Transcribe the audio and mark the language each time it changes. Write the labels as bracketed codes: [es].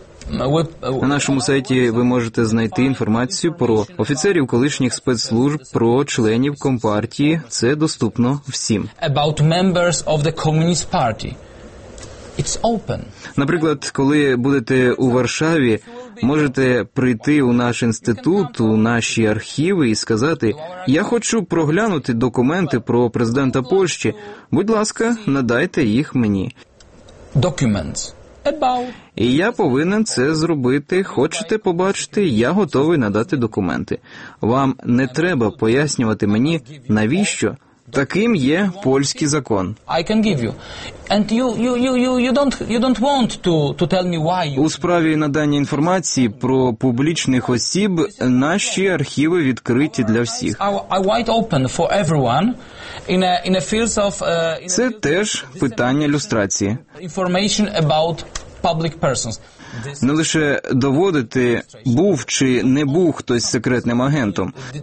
[uk] На нашому сайті ви можете знайти інформацію про офіцерів колишніх спецслужб, про членів Компартії. Це доступно всім. [en] About members of the Communist Party. It's open. [uk] Наприклад, коли будете у Варшаві, можете прийти у наш інститут, у наші архіви і сказати, я хочу проглянути документи про президента Польщі, будь ласка, надайте їх мені. [en] Documents. [uk] І я повинен це зробити. Хочете побачити? Я готовий надати документи. Вам не треба пояснювати мені, навіщо. Таким є польський закон. [en] I can give you. And you don't want to tell me why. [uk] У справі надання інформації про публічних осіб наші архіви відкриті для всіх. [en] I wide open for everyone in a fields of [uk] це теж питання люстрації. [en] Information about public persons. [uk] Не лише доводити, був чи не був хтось секретним агентом.